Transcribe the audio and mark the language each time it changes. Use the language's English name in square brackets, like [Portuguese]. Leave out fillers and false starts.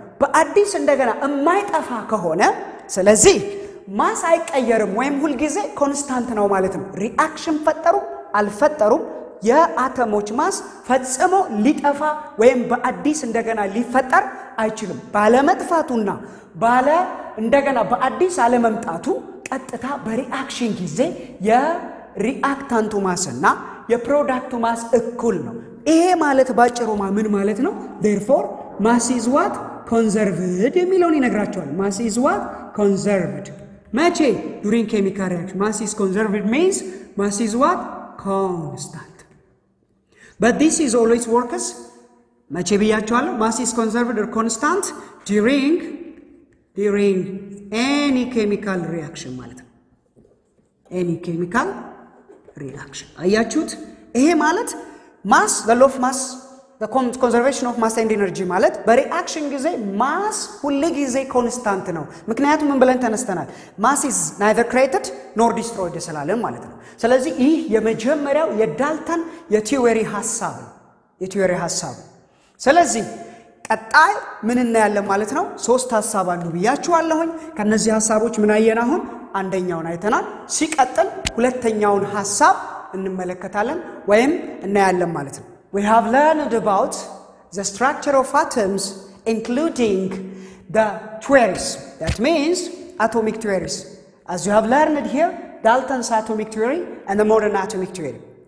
[Amharic] በአዲስ እንደገና የማይጠፋ ከሆነ ስለዚህ ማስ አይቀየርም ወይም ሁልጊዜ ኮንስታንት ነው ማለት ነው። ሪአክሽን ፈጠሩ አልፈጠሩ የአተሞች ማስ ፈጽሞ ሊጠፋ ወይም በአዲስ እንደገና ሊፈጠር አይችልም። ባለመጥፋቱና ባለ እንደገና በአዲስ አለመምጣቱ ቀጥታ በሪአክሽን ጊዜ የሪአክታንቱ ማስና የፕሮዳክቱ ማስ እኩል ነው። ይሄ ማለት ባጭሩ ምን ማለት ነው? [English] Therefore, mass is what? Conserved. [Amharic] የሚለውን ይነግራቸዋል። [English] Mass is what? Conserved. [Amharic] መቼ? [English] During chemical reaction. Mass is conserved means, mass is what? Constant. But this is always works. [Amharic] መቼ ብያቸዋል? [English] Mass is conserved or constant during any chemical reaction [Amharic] ማለት ነው. [English] Any chemical reaction. [Amharic] አያችሁት? ይሄ ማለት [English] mass, the law of mass, the conservation of mass and energy [Amharic] ማለት በሪአክሽን ጊዜ [English] mass [Amharic] ሁሉ ጊዜ [English] constant [Amharic] ነው። ምክንያቱም ምን ብለን ተነስተናል? [English] Mass is neither created nor destroyed [Amharic] ስላለን ማለት ነው። ስለዚህ ይህ የመጀመሪያው የዳልተን የቲዮሪ ሐሳብ። ስለዚህ ቀጣይ ምን እናያለን ማለት ነው? ሶስት ሐሳብ አሉ ብያችኋለሁኝ። ከነዚህ ሐሳቦች ምን አየን? አሁን አንደኛውን አይተናል። ሲቀጥል ሁለተኛውን ሐሳብ እንመለከታለን ወይም እናያለን ማለት ነው። [English] We have learned about the structure of atoms including the theories. That means atomic theories. As you have learned here, Dalton's atomic theory and the modern atomic theory.